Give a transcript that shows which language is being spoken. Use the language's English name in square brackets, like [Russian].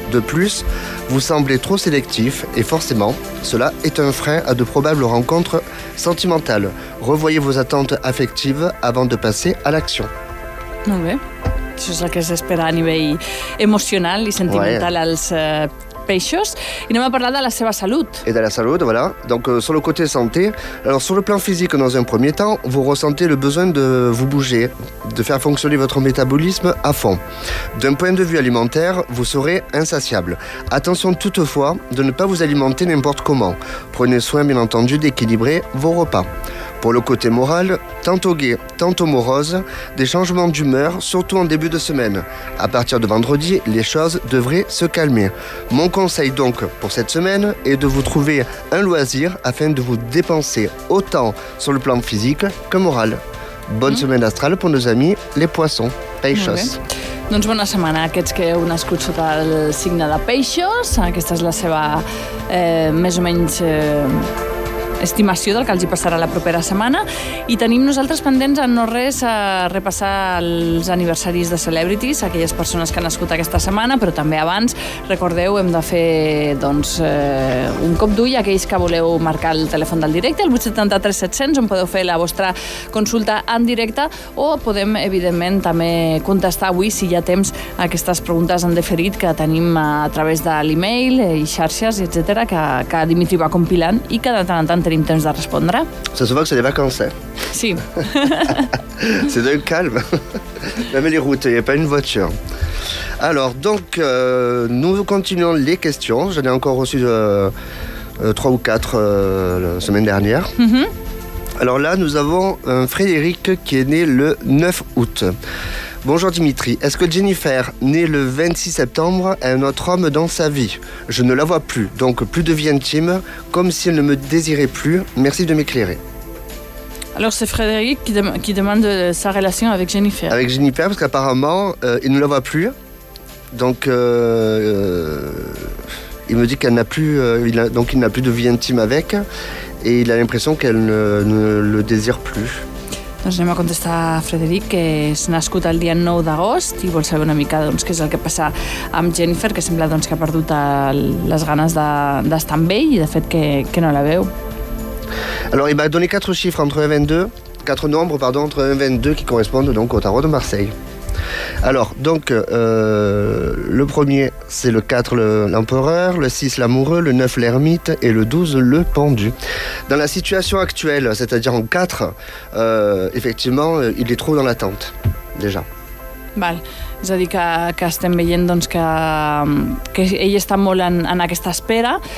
[French] De plus, vous semblez trop sélectif et forcément, cela est un frein à de probables rencontres sentimentales. Revoyez vos attentes affectives avant de passer à l'action. Non, mais c'est ça que j'espère à niveau émotionnel et sentimental. Ouais. [Catalan] Peixos, i no m'ha parlat de la seva salut. [French] Et de la salut, voilà. Donc, sur le côté santé, alors sur le plan physique, dans un premier temps, vous ressentez le besoin de vous bouger, de faire fonctionner votre métabolisme à fond. D'un point de vue alimentaire, vous serez insatiable. Attention toutefois de ne pas vous alimenter n'importe comment. Prenez soin, bien entendu, d'équilibrer vos repas. Pour le côté moral, tantôt gai, tantôt morose, des changements d'humeur, surtout en début de semaine. À partir de vendredi, les choses devraient se calmer. Mon conseil donc pour cette semaine est de vous trouver un loisir afin de vous dépenser autant sur le plan physique que moral. Bonne semaine astrale pour nos amis les poissons. [Catalan] Peixos. Doncs bona setmana a aquests que heu nascut sota el signe de Peixos. Aquesta és la seva més o menys estimació del que els hi passarà la propera setmana. I tenim nosaltres pendents en no res a repassar els aniversaris de celebrities, aquelles persones que han nascut aquesta setmana, però també abans, recordeu, hem de fer doncs, un cop d'ull a aquells que voleu marcar el telèfon del directe, el 873-700, on podeu fer la vostra consulta en directe, o podem, evidentment, també contestar avui, si hi ha temps, aquestes preguntes en deferit que tenim a través de l'email i xarxes, etc., que Dimitri va compilant i que de tant en tant tenim temps de respondre. Se suposa que [French] c'est des vacances, eh? [Catalan] Sí. [French] C'est d'un calme. Même les routes, il n'y a pas une voiture. Alors, donc, nous continuons les questions. J'en ai encore reçu 3 ou 4 la semaine dernière. Mm-hmm. Alors là, nous avons Frédéric qui est né le 9 août. Bonjour Dimitri, est-ce que Jennifer, née le 26 septembre, a un autre homme dans sa vie? Je ne la vois plus, donc plus de vie intime, comme si elle ne me désirait plus. Merci de m'éclairer. Alors c'est Frédéric qui demande sa relation avec Jennifer. Avec Jennifer, parce qu'apparemment, il ne la voit plus. Donc, il me dit qu'elle n'a plus, il n'a plus de vie intime avec. Et il a l'impression qu'elle ne le désire plus. [Catalan] Doncs anem a contestar a Frederic, que és nascut el dia 9 d'agost i vol saber una mica doncs, què és el que passa amb Jennifer, que sembla doncs, que ha perdut les ganes d'estar amb ell i, de fet, que no la veu. [French] Alors, il m'a donné 4 chiffres entre 1 et 22, 4 nombres, pardon, entre 1 et 22, qui correspondent donc au tarot de Marseille. Alors, donc, le premier, c'est le 4, l'empereur, le 6, l'amoureux, le 9, l'ermite et le 12, le pendu. Dans la situation actuelle, c'est-à-dire en 4, effectivement, il est trop dans l'attente, déjà. [Catalan] Val. És a dir, que estem veient doncs, que ell està molt en aquesta espera.